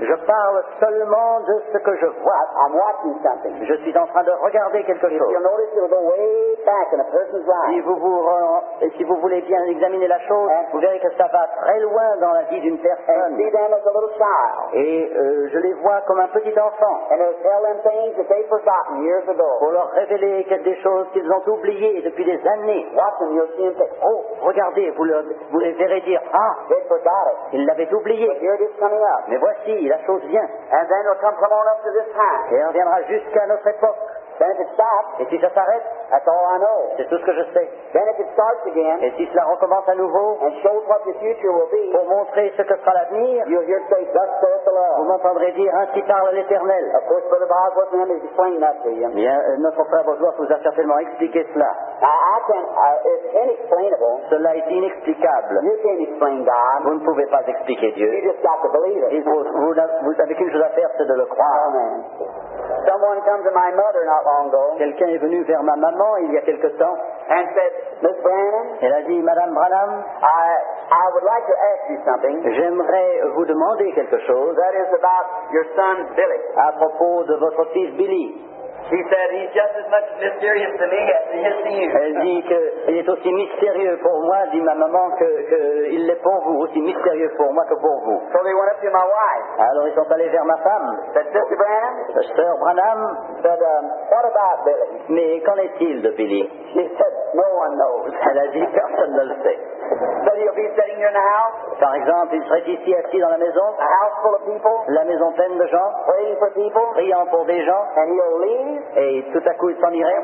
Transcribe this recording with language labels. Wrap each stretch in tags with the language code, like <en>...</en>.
<fr>Je parle seulement de ce que je vois.</fr> <en>I'm watching something.</en> <fr>Je suis en train de regarder quelque chose.</fr> <en>You'll notice it'll go way back in a person's life.</en> <fr>Si vous voulez bien examiner la chose, vous verrez que ça va très loin dans la vie d'une personne.</fr> <en>And see them as a little child.</en> <fr>Et je les vois comme un petit enfant.</fr> <en>And they'll tell them things that they've forgotten years ago.</en> <fr>Pour leur révéler des choses qu'ils ont oubliées depuis des années.</fr> <en>And you'll see him say,</en> <fr>oh, regardez, vous les verrez dire, ah,</fr> <en>they forgot it.</en> <fr>Il l'avait oublié.</fr> <en>But here it is coming up.</en> <fr>Mais voici, la chose vient.</fr> <en>And then it'll come from on up to this time.</en> <fr>Et on viendra jusqu'à notre époque.</fr> <en>Then if it stops,</en> <fr>et si ça s'arrête,</fr> <en>that's all I know.</en> <fr>C'est tout ce que je sais.</fr> <en>Then if it starts again,</en> <fr>et si cela recommence à nouveau,</fr> <en>and shows what the future will be,</en> <fr>pour montrer ce que sera l'avenir,</fr> <en>you'll hear say, thus saith the Lord.</en> <fr>Vous m'entendrez dire, ainsi parle l'Éternel.</fr> <en>Of course, Brother Bob wasn't able to explain that to you.</en> <fr>Bien, notre frère Bosworth vous a certainement expliqué cela.</fr> <en>It's inexplainable.</en> <fr>Cela est inexplicable.</fr> <en>You can't explain God.</en> <fr>Vous ne pouvez pas expliquer Dieu.</fr> <en>You just got to believe it.</en> <fr>Vous avez qu'une chose à faire, c'est de le croire.</fr> <en>Amen. Someone came to my mother not long ago.</en> <fr>Quelqu'un est venu vers ma maman il y a quelque temps.</fr> <en>And said, Miss Branham.</en> <fr>Elle a dit, Madame Branham.</fr> <en>I would like to ask you something.</en> <fr>J'aimerais vous demander quelque chose.</fr> <en>That is about your son Billy.</en> <fr>À propos de votre fils Billy.</fr> <en>She said he's just as much mysterious to me as he is to you.</en> <fr>Elle dit que il est aussi mystérieux pour moi, dit ma maman, que il l'est pour vous, aussi mystérieux pour moi que pour vous.</fr> <en>So they went up to my wife.</en> <fr>Alors ils sont allés vers ma femme.</fr> <en>Sister Branham.</en> <fr>Sœur Branham.</fr> <en>Said, what about Billy?</en> <fr>Mais qu'en est-il de Billy?</fr> <en>She said, no one knows.</en> <fr>Elle a dit, personne ne le sait.</fr> <en>But he'll be sitting here in the house.</en> <fr>Par exemple, il serait ici assis dans la maison.</fr> <en>A house full of people.</en> <fr>La maison pleine de gens.</fr> <en>Praying for people.</en> <fr>Priant pour des gens.</fr> <en>And he'll leave.</en> <fr>Et tout à coup, il s'en irait.</fr>